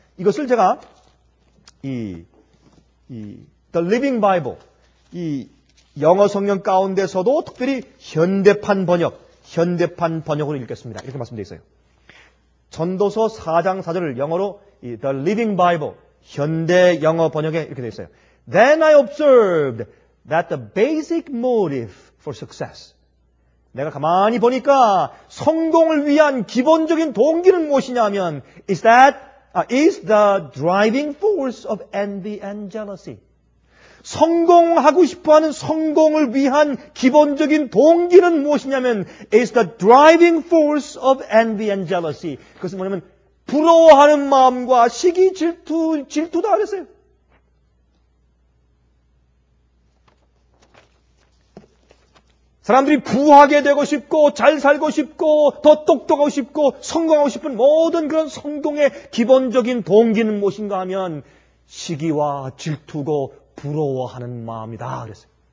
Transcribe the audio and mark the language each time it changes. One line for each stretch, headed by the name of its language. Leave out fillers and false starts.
Korean: 이것을 제가 이 The Living Bible 이 영어 성경 가운데서도 특별히 현대판 번역으로 읽겠습니다. 이렇게 말씀되어 있어요. 전도서 4장 4절을 영어로 The Living Bible, 현대 영어 번역에 이렇게 되어 있어요.
English: Then I observed that the basic motive for success.
Korean: 내가 가만히 보니까 성공을 위한 기본적인 동기는 무엇이냐면
English: is that is the driving force of envy and jealousy.
Korean: 성공하고 싶어하는 성공을 위한 기본적인 동기는 무엇이냐면
English: is the driving force of envy and jealousy.
Korean: 그것은 뭐냐면 부러워하는 마음과 시기 질투다 그랬어요. 사람들이 부하게 되고 싶고 잘 살고 싶고 더 똑똑하고 싶고 성공하고 싶은 모든 그런 성공의 기본적인 동기는 무엇인가 하면 시기와 질투고 부러워하는 마음이다 그랬어요.